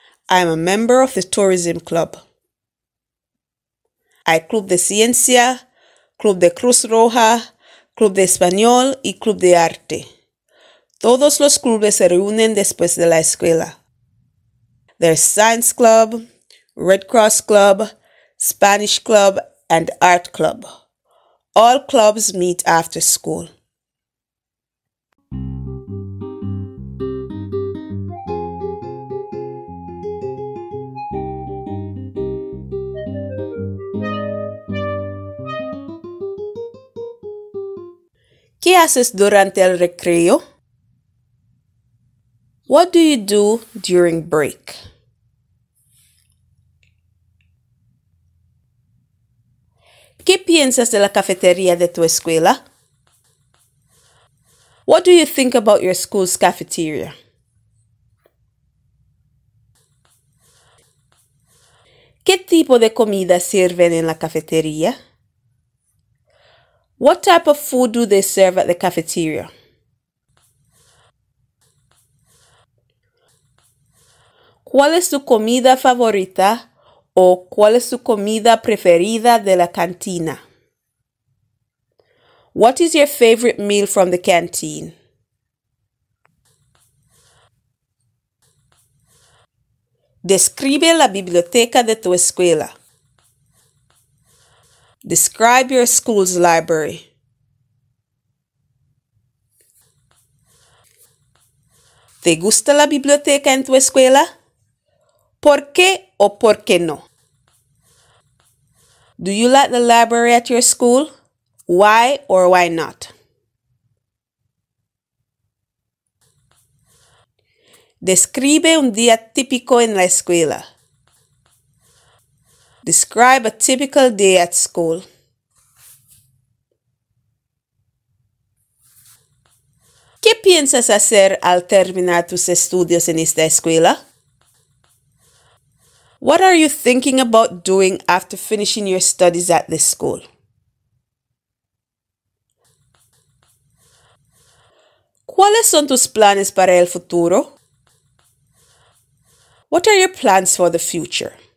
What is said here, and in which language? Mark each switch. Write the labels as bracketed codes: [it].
[en] I am a member of the tourism club. [es] Hay club de ciencia, club de Cruz Roja, club de español y club de arte. Todos los clubes se reúnen después de la escuela. [en] There's science club, Red Cross club, Spanish club, and art club. All clubs meet after school. [es] ¿Qué haces durante el recreo? [en] What do you do during break? [es] ¿Qué piensas de la cafetería de tu escuela? [en] What do you think about your school's cafeteria? [es] ¿Qué tipo de comida sirven en la cafetería? [en] What type of food do they serve at the cafeteria? [es] ¿Cuál es tu comida favorita o cuál es tu comida preferida de la cantina? [en] What is your favorite meal from the canteen? [es] Describe la biblioteca de tu escuela. [en] Describe your school's library. [es] ¿Te gusta la biblioteca en tu escuela? ¿Por qué o por qué no? [en] Do you like the library at your school? Why or why not? [es] Describe un día típico en la escuela. [en] Describe a typical day at school. [es] ¿Qué piensas hacer al terminar tus estudios en esta escuela? [en] What are you thinking about doing after finishing your studies at this school? [es] ¿Cuáles son tus planes para el futuro? [en] What are your plans for the future?